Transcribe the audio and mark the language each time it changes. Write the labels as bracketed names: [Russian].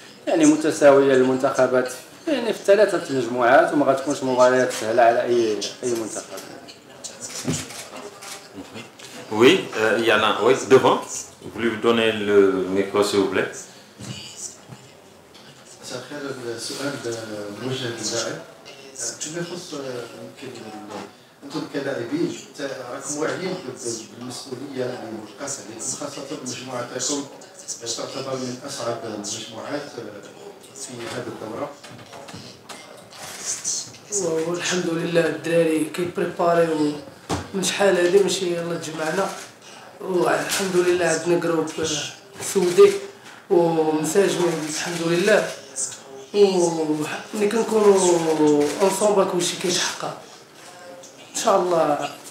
[Arabic] يعني متساويه للمنتخبات يعني في ثلاثه المجموعات وما غتكونش مباريات سهله على اي منتخب. [French] Oui, il y en a. Oui, devant. Vous voulez vous donner le micro, s'il vous plaît. [Arabic] انتم كلاعبين راكم واعيين بالمسؤوليه اللي ملقاه عليكم، خاصه مجموعتكم تعتبر من اصعب المجموعات في هذه الدوره. والحمد لله الدراري كيبريباريو من شحال هذه ماشي يلاه تجمعنا، والحمد لله عندنا جروب سودي ومساجمين الحمد لله، وملي كنكونوا انصومبل كلشي كيتحقق ان شاء الله.